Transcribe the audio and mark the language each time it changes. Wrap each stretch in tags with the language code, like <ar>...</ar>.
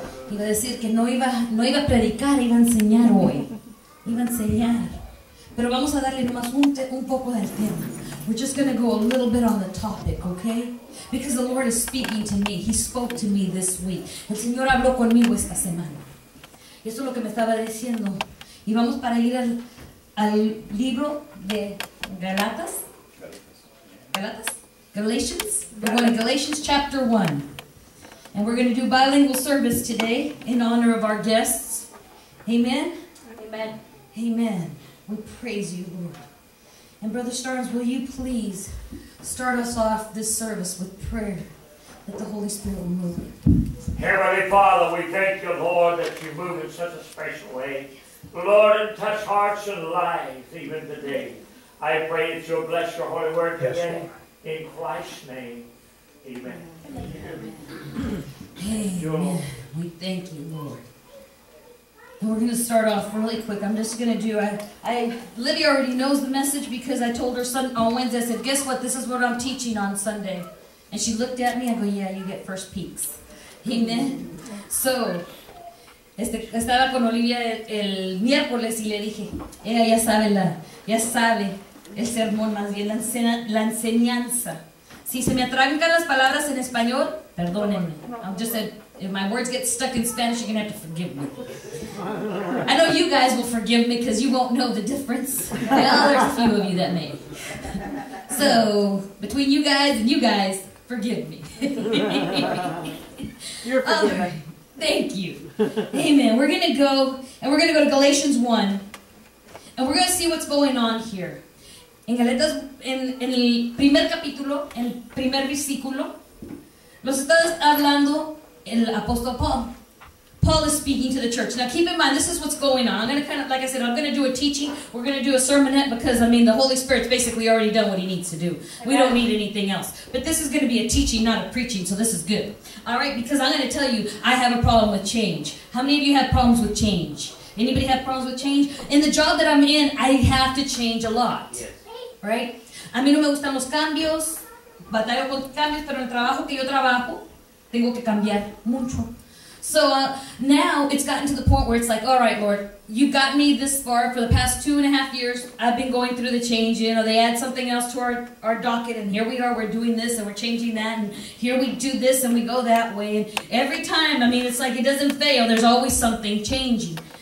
<es>Iba a decir que no iba a predicar, iba a enseñar hoy. Iba a enseñar. Pero vamos a darle más un poco del tema.</es> <en>We're just going to go a little bit on the topic, okay? Because the Lord is speaking to me. He spoke to me this week.</en> <es>El Señor habló conmigo esta semana. Y eso es lo que me estaba diciendo. Y vamos para ir al libro de Galatas.</es> <en>Galatas? Galatians? We're going to Galatians chapter 1. And we're going to do bilingual service today in honor of our guests. Amen? Amen. Amen. We praise you, Lord. And Brother Starnes, will you please start us off this service with prayer that the Holy Spirit will move. Heavenly Father, we thank you, Lord, that you move in such a special way. Lord, and touch hearts and lives even today. I pray that you'll bless your holy word today. Yes, Lord. In Christ's name. Amen. Amen. Amen. We thank you, Lord. We're going to start off really quick. I'm just going to do, Libby already knows the message because I told her on Wednesday, I said, guess what, this is what I'm teaching on Sunday. And she looked at me, I go, yeah, you get first peeks. Amen.</en> <es>So, estaba con Olivia el miércoles y le dije, ella ya sabe el sermón, más bien la enseñanza. Si se me atrancan las palabras en español, perdónenme.</es> <en>If my words get stuck in Spanish, you're going to have to forgive me. I know you guys will forgive me because you won't know the difference. Well, there's a few of you that may. So, between you guys, forgive me. You're forgiven. Thank you. Amen. We're going to go, and we're going to go to Galatians 1, and we're going to see what's going on here.</en> <es>En Galatas, en el primer capítulo, en el primer versículo, los estás hablando...</es> <en>El Apostle Paul. Paul is speaking to the church. Now keep in mind, this is what's going on. I'm going to kind of, like I said, I'm going to do a teaching. We're going to do a sermonette because, I mean, the Holy Spirit's basically already done what he needs to do. We don't need anything else. But this is going to be a teaching, not a preaching, so this is good. All right, because I'm going to tell you, I have a problem with change. How many of you have problems with change? Anybody have problems with change? In the job that I'm in, I have to change a lot. Yes.</en> <es>Right? A mí no me gustan los cambios. Batallo con cambios, pero en el trabajo que yo trabajo, tengo que cambiar mucho.</es> <en>So now it's gotten to the point where it's like, all right, Lord, you've got me this far for the past 2.5 years. I've been going through the change. You know, they add something else to our docket, and here we are. We're doing this, and we're changing that, and here we do this, and we go that way. And every time, I mean, it's like it doesn't fail. There's always something changing.</en>